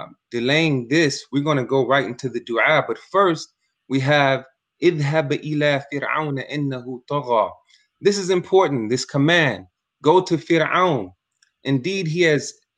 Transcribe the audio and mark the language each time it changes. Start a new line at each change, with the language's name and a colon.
English: Delaying this, we're going to go right into the dua. But first, we have
Arabic: اذهب إلى فرعون إنه طغى.
English: This is important, this command. Go to Fir'aun. Indeed, he has